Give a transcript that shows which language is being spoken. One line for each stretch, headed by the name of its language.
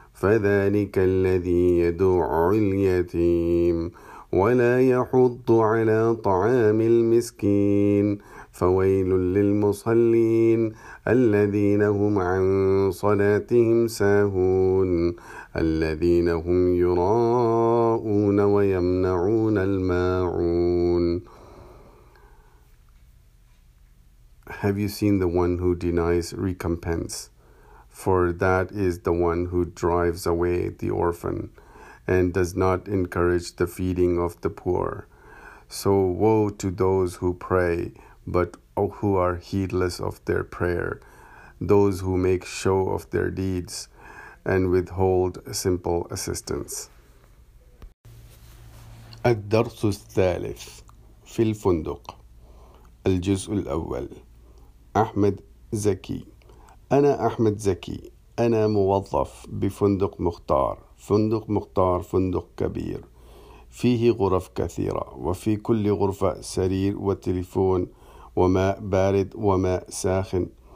Arabic: فذلك الذي يدعو اليتيم ولا يحض على طعام المسكين فويل للمصلين الذين هم عن صلاتهم ساهون الذين هم يراءون ويمنعون الماعون.
English: Have you seen the one who denies recompense? For that is the one who drives away the orphan and does not encourage the feeding of the poor. So woe to those who pray, but who are heedless of their prayer, those who make show of their deeds and withhold simple assistance.
Arabic: الدرس الثالث في الفندق الجزء الأول أحمد زكي. أنا أحمد زكي، أنا موظف بفندق مختار. فندق مختار فندق كبير، فيه غرف كثيرة، وفي كل غرفة سرير وتليفون وماء بارد وماء ساخن.